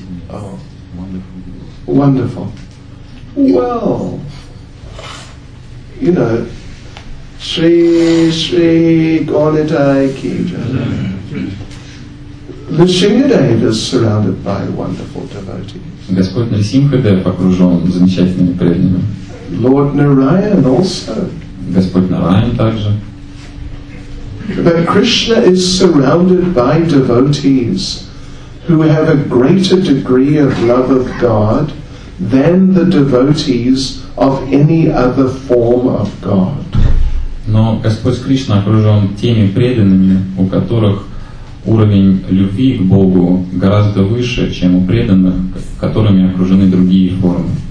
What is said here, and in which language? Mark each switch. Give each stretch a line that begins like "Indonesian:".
English: Oh. Wonderful. Wonderful. Well, you know, Sri Sri Gaudiya Ki Jai. Nrisimhadeva is surrounded by wonderful devotees.
Russian: Господь Нарсимхадев окружен замечательными преданными.
English: Lord Narayan also.
Russian: Господь Нараян также.
English: But Krishna is surrounded by devotees who have a greater degree of love of God than the devotees of any other form of God.
Russian: Но Господь Кришна окружен теми преданными, у которых уровень любви к Богу гораздо выше, чем у преданных, которыми окружены другие формы.